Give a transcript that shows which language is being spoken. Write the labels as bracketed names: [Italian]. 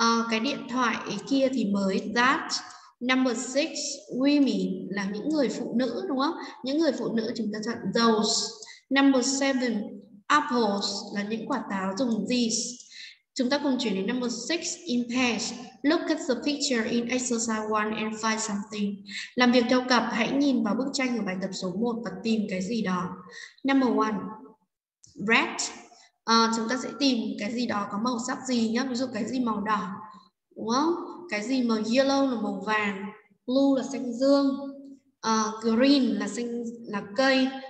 [Vietnamese] Cái điện thoại kia thì mới, that. Number 6, women là những người phụ nữ, đúng không? Những người phụ nữ chúng ta chọn those. Number 7, Apples là những quả táo dùng these. Chúng ta cùng chuyển đến number 6 in pairs. [English] Look at the picture in exercise 1 and find something. [Vietnamese] Làm việc theo cặp, hãy nhìn vào bức tranh ở bài tập số 1 và tìm cái gì đó. Number 1. Red. Chúng ta sẽ tìm cái gì đó có màu sắc gì nhá. Ví dụ cái gì màu đỏ. Đúng không? Cái gì màu yellow là màu vàng. Blue là xanh dương. Green là xanh là cây.